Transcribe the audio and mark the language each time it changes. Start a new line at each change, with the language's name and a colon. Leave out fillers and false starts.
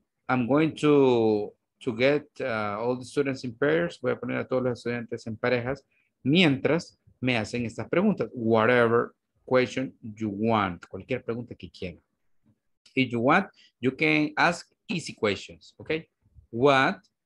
English: I'm going to get all the students in pairs.
Spanish: Voy a poner a todos los estudiantes en parejas mientras me hacen estas preguntas.
English: Whatever question you want.
Spanish: Cualquier pregunta que quieran.
English: If you want, you can ask easy questions. Okay? What,